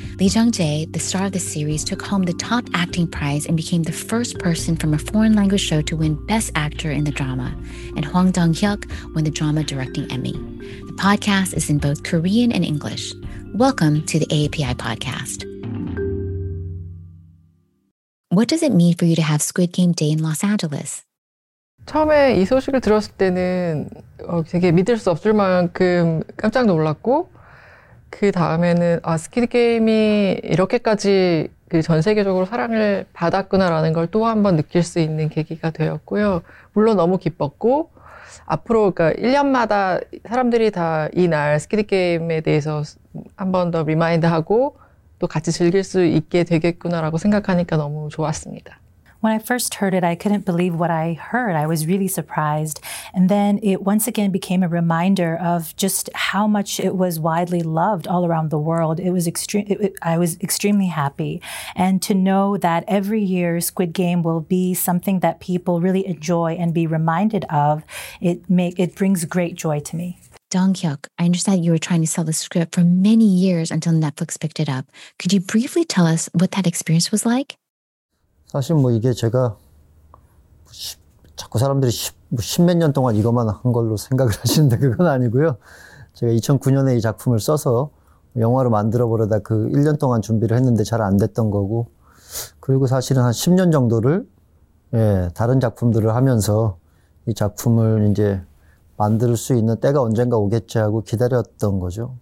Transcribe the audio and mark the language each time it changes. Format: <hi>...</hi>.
<en>Lee Jung-jae, the star of the series, took home the top acting prize and became the first person from a foreign language show to win Best Actor in the drama. And Hwang Dong-hyuk won the Drama Directing Emmy. The podcast is in both Korean and English. Welcome to the AAPI podcast. What does it mean for you to have Squid Game Day in Los Angeles?</en> <ko>처음에 이 소식을 들었을 때는 되게 믿을 수 없을 만큼 깜짝 놀랐고 그 다음에는 아 스퀴드 게임이 이렇게까지 그 전 세계적으로 사랑을 받았구나라는 걸 또 한 번 느낄 수 있는 계기가 되었고요. 물론 너무 기뻤고 앞으로 그러니까 1년마다 사람들이 다 이날 스퀴드 게임에 대해서 한 번 더 리마인드하고 또 같이 즐길 수 있게 되겠구나라고 생각하니까 너무 좋았습니다.</ko> <en>When I first heard it, I couldn't believe what I heard. I was really surprised. And then it once again became a reminder of just how much it was widely loved all around the world. I was extremely happy. And to know that every year Squid Game will be something that people really enjoy and be reminded of, it brings great joy to me. Dong-kyuk, I understand you were trying to sell the script for many years until Netflix picked it up. Could you briefly tell us what that experience was like?</en> <ko>사실 뭐 이게 제가 자꾸 사람들이 십몇 년 동안 이것만 한 걸로 생각을 하시는데 그건 아니고요. 제가 2009년에 이 작품을 써서 영화로 만들어버려다 그 1년 동안 준비를 했는데 잘 안 됐던 거고 그리고 사실은 한 10년 정도를 다른 작품들을 하면서 이 작품을 이제 만들 수 있는 때가 언젠가 오겠지 하고 기다렸던 거죠.</ko>